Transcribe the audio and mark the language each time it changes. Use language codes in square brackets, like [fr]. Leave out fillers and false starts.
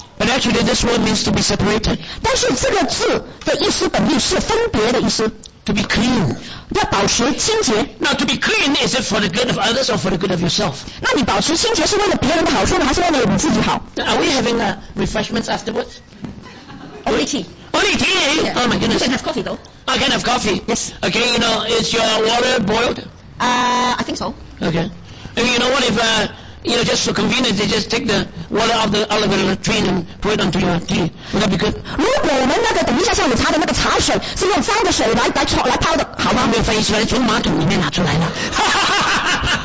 [en] But actually, this word means to be separated. [zh] 但是这个字的意思本意是分别的意思。 [en] To be clean. [zh] 要保持清洁。 [en] Now, to be clean, is it for the good of others or for the good of yourself? [zh] 那你保持清洁是为了别人的好处呢，还是为了你自己好？ [en] Are we having refreshments afterwards? Only tea. Only tea? Yeah. Oh my goodness. You can have coffee though. I can have coffee. Yes. Okay, you know, is your water boiled? I think so. Okay. And you know what, if, you know, just for convenience, they just take the water off the olive oil tree and pour it onto your tea. Would that be good? [zh] 如果我们那个等一下下午茶的那个茶水是用脏的水来冲来泡的，好吗？没有翻译出来，从马桶里面拿出来了。